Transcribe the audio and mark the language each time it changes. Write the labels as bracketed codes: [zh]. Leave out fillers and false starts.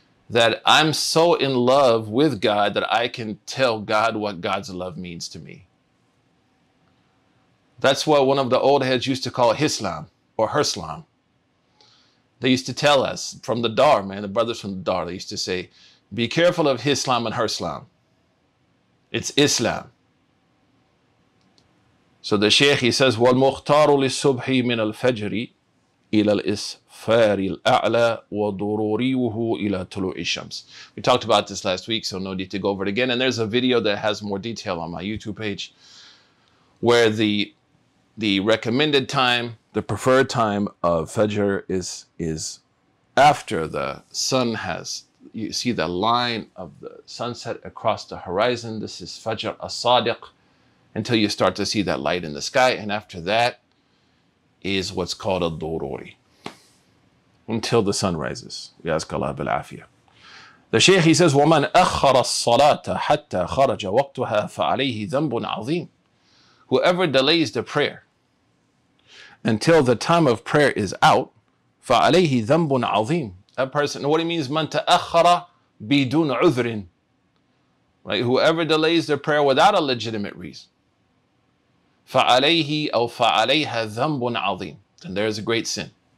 [en] That I'm so in love with God that I can tell God what God's love means to me. That's what one of the old heads used to call Hislam or Herslam. They used to tell us from the Dar, man, the brothers from the Dar, they used to say, be careful of Hislam and Herslam. It's Islam. So the Shaykh, he says, [ar] وَالْمُخْتَارُ لِلصُّبْحِ مِنَ الْفَجْرِ إِلَى الْإِسْفَارِ الْأَعْلَى وَضُرُورِيُهُ إِلَى طُلُوعِ الشَّمْسِ. [en] We talked about this last week, so no need to go over it again. And there's a video that has more detail on my YouTube page where the recommended time, the preferred time of Fajr is after the sun has, you see the line of the sunset across the horizon. This is Fajr as-Sadiq, until you start to see that light in the sky. And after that is what's called a dururi, until the sun rises. Yazakallah bil afiyah. The Shaykh, he says, [ar] وَمَنْ أَخَّرَ الصَّلَاةَ حَتَّى خَرَجَ وَقْتُهَا فَعَلَيْهِ ذَنْبٌ عَظِيمٌ. [en] Whoever delays the prayer until the time of prayer is out, [ar] فَعَلَيْهِ ذَنْبٌ عَظِيمٌ. [en] That person, what he means, [ar] مَنْ تَأَخَّرَ بِدُونْ عُذْرٍ. [en] Right, whoever delays their prayer without a legitimate reason, [ar] فَعَلَيْهِ أَوْ فَعَلَيْهَا ذَنْبٌ عَظِيمٌ, [en] then there is a great sin.